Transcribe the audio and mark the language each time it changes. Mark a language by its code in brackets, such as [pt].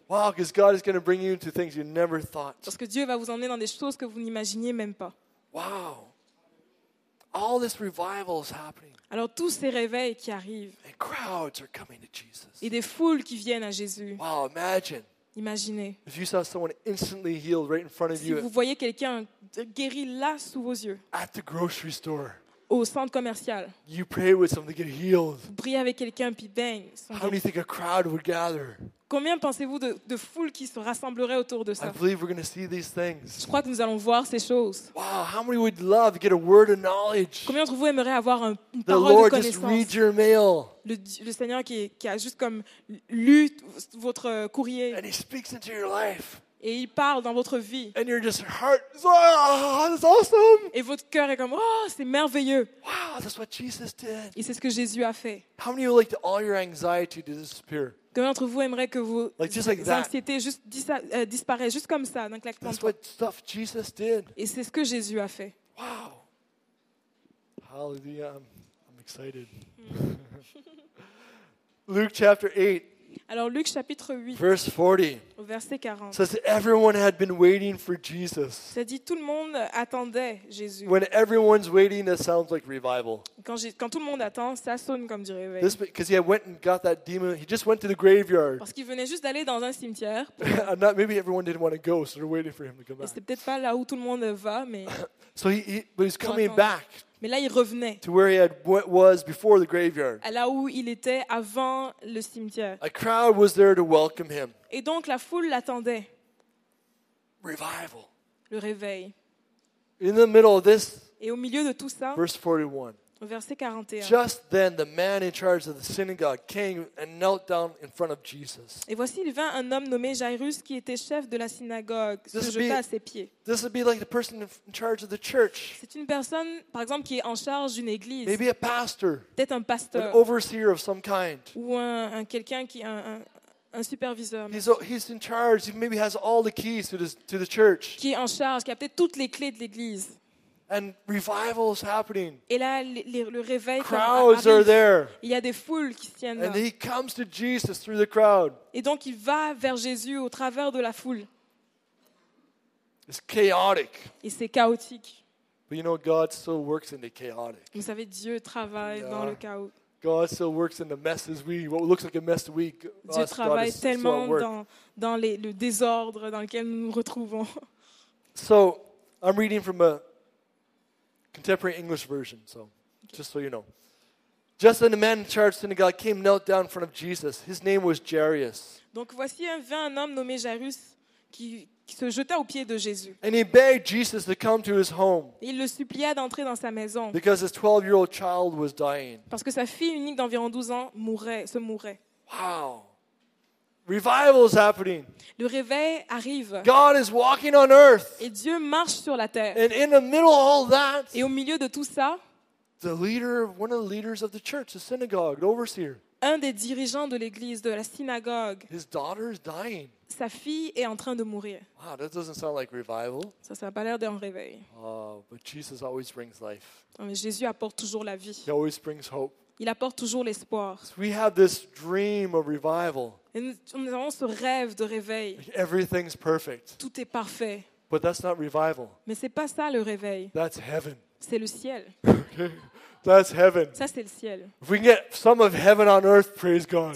[en] Wow, because God is going to bring you into things you never thought. [fr] Parce que Dieu va vous emmener dans des choses que vous n'imaginiez même pas. [en] Wow. All this revival is happening. [fr] Alors tous ces réveils qui arrivent. [en] And crowds are coming to Jesus. [fr] Et des foules qui viennent à Jésus. [en] Wow, imagine. [fr] Imaginez. [en] If you saw someone instantly healed right in front of you. [fr] Si vous voyez quelqu'un guéri là sous vos yeux. [en] At the grocery store. [fr] Au centre commercial. [en] You pray with someone to get healed. [fr] Vous priez avec quelqu'un puis bang. [en] How do you think a crowd would gather? [fr] Combien pensez-vous de foules qui se rassembleraient autour de ça? [en] I believe we're going to see these things. [fr] Je crois que nous allons voir ces choses. [en] Wow, how many would love to get a word of knowledge? [fr] Combien d'entre vous aimeraient avoir une parole de connaissance? [en] The Lord just read your mail. [fr] Le Seigneur qui a juste comme lu votre courrier. [en] And he speaks into your life. [fr] Et il parle dans votre vie. [en] And your just heart is that's awesome. [fr] Et votre cœur est comme oh, c'est merveilleux. [en] Wow, that's what Jesus did. [fr] Et c'est ce que Jésus a fait. [en] How many would like to all your anxiety to disappear? [fr] Combien d'entre vous aimeraient que vos anxiétés disparaissent juste comme ça, d'un claquement de doigts? Et c'est ce que Jésus a fait. [en] Wow! Hallelujah, I'm excited. Luke chapter 8. [fr] Alors Luc chapitre 8, [en] verse 40, [fr] au verset 40, [en] says everyone had been waiting for Jesus. [fr] Ça dit tout le monde attendait Jésus. [en] When everyone's waiting, that sounds like revival. [fr] Quand tout le monde attend, ça sonne comme du réveil. [en] This because he went and got that demon. He just went to the graveyard. [fr] Parce qu'il venait juste d'aller dans un cimetière. [en] And not, maybe everyone didn't want to go, so they're waiting for him to come back. [fr] C'était peut-être pas là où tout le monde va, mais. [en] So but he's coming back. [fr] Mais là, il revenait. [en] To where he had was before the graveyard. [fr] À là où il était avant le cimetière. [en] A crowd was there to welcome him. [fr] Et donc la foule l'attendait. [en] Revival. [fr] Le réveil. [en] In the middle of this. [fr] Et au milieu de tout ça. [en] Verse 41. [fr] Au verset 41. [en] Just then, the man in charge of the synagogue came and knelt down in front of Jesus. [fr] Et voici, il vint un homme nommé Jairus qui était chef de la synagogue, se jeta à ses pieds. [en] This would be like the person in charge of the church. [fr] C'est une personne, par exemple, qui est en charge d'une église. [en] Maybe a pastor. [fr] Peut-être un pasteur. [en] An overseer of some kind. [fr] Ou un quelqu'un qui un superviseur. [en] He's in charge. He maybe has all the keys to the church. [fr] Qui est en charge, qui a peut-être toutes les clés de l'église. [en] And revival is happening. [fr] Et là, le réveil. [en] Crowds are there. [fr] Il y a des foules qui tiennent. [en] And he comes to Jesus through the crowd. [fr] Et donc, il va vers Jésus au travers de la foule. [en] It's chaotic. [fr] Et c'est chaotique. [en] But you know, God still works in the chaotic. [fr] Vous savez, Dieu travaille dans le chaos. [en] God still works in the messes we, what looks like a mess we. [fr] Dieu travaille tellement dans le désordre dans lequel nous nous retrouvons. [en] So, I'm reading from a contemporary English version, so just so you know. Just then, a man in charge of the synagogue came, knelt down in front of Jesus. His name was Jairus. [fr] Donc voici un homme nommé Jairus qui se jeta aux pieds de Jésus. [en] And he begged Jesus to come to his home. [fr] Il le supplia d'entrer dans sa maison. [en] Because his 12-year-old child was dying. [fr] Parce que sa fille unique d'environ 12 ans mourait. [en] Wow. Revival is happening. [fr] Le réveil arrive. [en] God is walking on earth. [fr] Et Dieu marche sur la terre. [en] And in the middle of all that, [fr] et au milieu de tout ça, [en] the leader, one of the leaders of the church, the synagogue, the overseer, [fr] un des dirigeants de l'église, de la synagogue, [en] his daughter is dying. [fr] Sa fille est en train de mourir. [en] Wow, that doesn't sound like revival. [fr] Ça, ça n'a pas l'air d'un réveil. [en] Oh, but Jesus always brings life. [fr] Mais Jésus apporte toujours la vie. [en] He always brings hope. [fr] Il apporte toujours l'espoir. [en] So we have this dream of revival. [fr] Et nous avons ce rêve de réveil. [en] Everything's perfect. [fr] Tout est parfait. [en] But that's not revival. [fr] Mais c'est pas ça le réveil. [en] That's heaven. [fr] C'est le ciel. [en] That's heaven. [fr] Ça c'est le ciel. [en] If we can get some of heaven on earth, praise God.